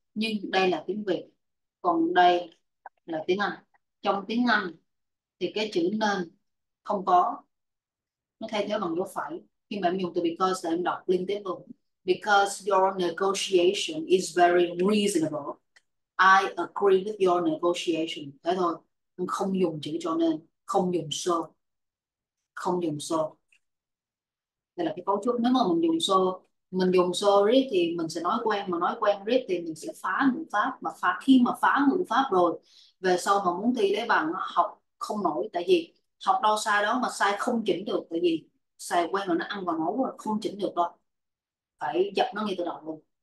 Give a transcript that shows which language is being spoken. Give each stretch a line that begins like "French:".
Vietnamese: Nhưng đây là tiếng Việt. Còn đây là tiếng Anh. Trong tiếng Anh thì cái chữ nên không có, nó thay thế bằng dấu phẩy. Khi mà em dùng từ because em đọc liên tiếp luôn.
English: Because your negotiation is very reasonable, I agree with your negotiation.
Vietnamese: Thế thôi, em không dùng chữ cho nên, không dùng so, không dùng so. Đây là cái cấu trúc. Nếu mà mình dùng so read thì mình sẽ nói quen, mà nói quen read thì mình sẽ phá ngữ pháp, mà phá khi mà phá ngữ pháp rồi về sau mà muốn thi lấy bằng học không nổi, tại vì học đâu sai đó mà sai không chỉnh được, tại vì sai quen rồi nó ăn vào máu rồi không chỉnh được đâu, phải dập nó ngay từ đầu luôn.